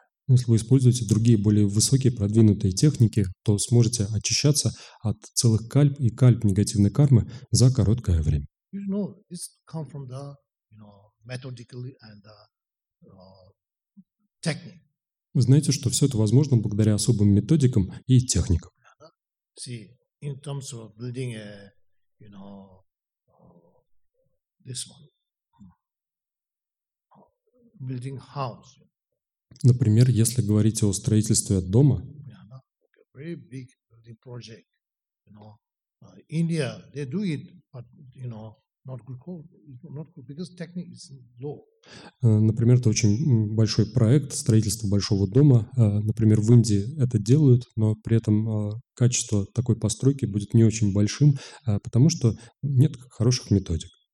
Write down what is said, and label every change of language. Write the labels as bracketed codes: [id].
[ru] Если вы используете другие более высокие продвинутые техники, то сможете очищаться от целых кальп и кальп негативной кармы за короткое время. [en] You know, it's come from the, you know, methodically and the, technique. [ru] Вы знаете, что все это возможно благодаря особым методикам и техникам. [en] See, in terms of building a, you know, this one, building house. [ru] Например, если говорить о строительстве дома. [en] Very big building project. You know, India, they do it, but, you know, not good, because technique is low. [ru] Например, это очень большой проект строительства большого дома. Например, в Индии это делают, но при этом качество такой постройки будет не очень большим, потому что нет хороших методик.